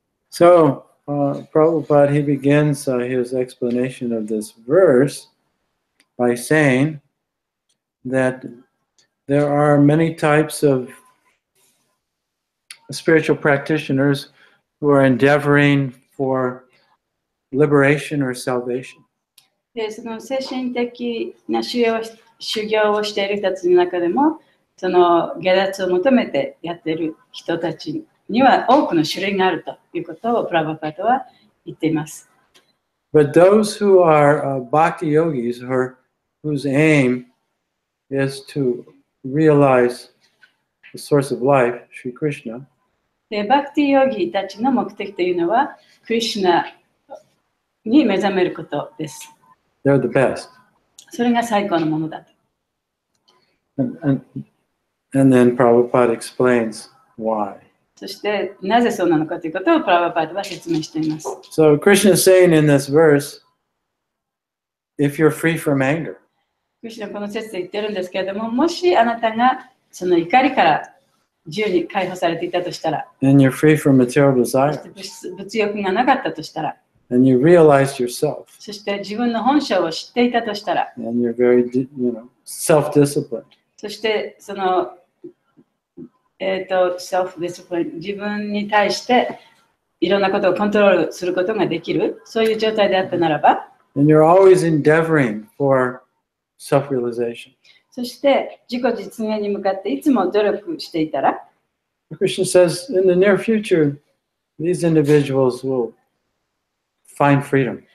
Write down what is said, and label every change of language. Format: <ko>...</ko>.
<en>So, Prabhupada, he begins his explanation of this verse by saying that there are many types of spiritual practitioners who are endeavoring for liberation or salvation.</en> <ja>その精神的な修行をしている人たちの中でも、その下脱を求めてやっている人たちには多くの種類があるということをプラバパトは言っています。</ja> <en>But those who are bhakti yogis, whose aim is to realize the source of life, Sri Krishna,</en> <ja>でバクティヨギたちの目的というのは、クリシュナに目覚めることです。</ja> <en>They're the best.</en> <ja>それが最高のものだと。</ja> <en>And then Prabhupada explains why.</en> <ja>そして、なぜそうなのかということをプラヴァパーダは説明しています。</ja> <en>So Krishna is saying in this verse, if you're free from anger.</en> <ja>クリシュナはこの説で言ってるんですけれども、もしあなたがその怒りから自由に解放されていたとしたら、</ja> <en>and you're free from material desires.</en> <ja>そして物欲がなかったとしたら、</ja> <en>and you realize yourself.</en> <ja>そして自分の本性を知っていたとしたら、</ja> <en>and you're very, you know, self-disciplined.</en> <ja>そしてその、self-discipline 自分に対していろんなことをコントロールすることができる、そういう状態であったならば、</ja> <en>And you're always endeavoring for self-realization.</en> <ja>そして自己実現に向かっていつも努力していたら、</ja> <en>Krishna says, in the near future, these individuals will find freedom.</en>